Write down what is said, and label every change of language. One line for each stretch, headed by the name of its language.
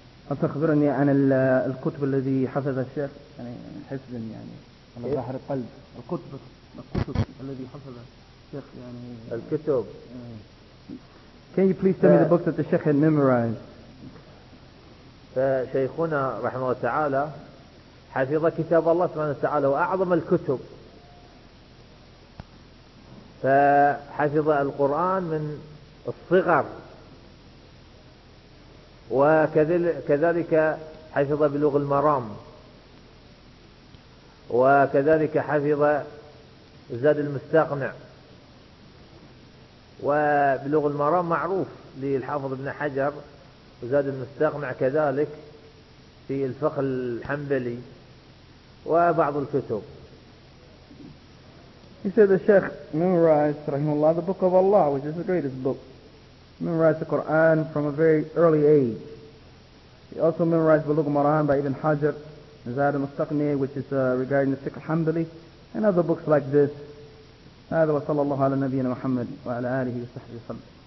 Arabic: أخبرني عن الكتب الذي حفظ الشيخ، يعني حفظا يعني على ظهر القلب. الكتب الذي حفظ الشيخ يعني. الكتب.
English: Can you please tell me the books that the Sheikh had memorized?
Arabic: فشيخنا رحمه الله تعالى حفظ كتاب الله سبحانه وتعالى وأعظم الكتب. فحفظ القرآن من الصغر. وكذلك حفظ بلغ المرام، وكذلك حفظ زاد المستقنع، وبلغ المرام معروف للحافظ ابن حجر، وزاد المستقنع كذلك في الفقه الحنبلي وبعض الكتب.
English: He said the Sheikh memorized
Arabic: رحمه الله
English: the book of Allah, which is the greatest book. Memorized the Quran from a very early age. He also memorized Bulugh al-Maram by Ibn Hajar, Zad al-Mustaqni, which is regarding the Fiqh al-Hanbali, and other books like this.
Arabic: هذا وصلى الله على نبينا محمد وعلى آله وصحبه وسلم.